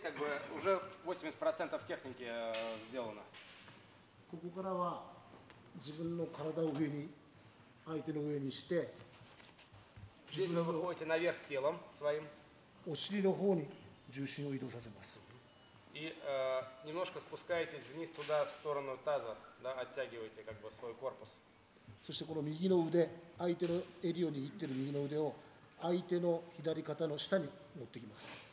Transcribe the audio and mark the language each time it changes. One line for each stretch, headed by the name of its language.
Russian: как бы уже 80% техники сделано.
Japanese: ここからは自分の体を上に相手の上にして、自分の
Russian: Здесь вы выходите наверх телом своим.
Japanese: お尻の方に重心を移動させます。
Russian: И немножко спускаетесь вниз туда в сторону таза, да, оттягиваете как бы свой корпус.
Japanese: そしてこの右の腕、相手の襟を握っている右の腕を相手の左肩の下に持ってきます。